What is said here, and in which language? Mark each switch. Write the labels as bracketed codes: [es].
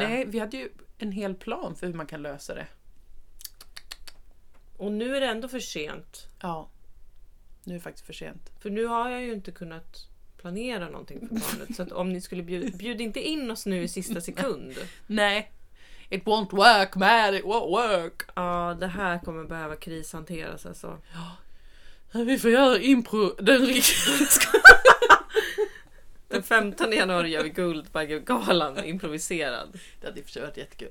[sv] Nej, vi hade ju en hel plan för hur man kan lösa det. Och nu är det ändå för sent. Ja, nu är det faktiskt för sent. För nu har jag ju inte kunnat planera någonting för barnet. Så att om ni skulle bjuda inte in oss nu i sista sekund. Nej. [en] It won't work, man, it won't work. [sv] Ja, ah, det här kommer behöva krishanteras alltså. Ja. Vi får göra impro. Den, den 15 januari gör vi Guldbaggegalan improviserad. Det hade försökt jättekul.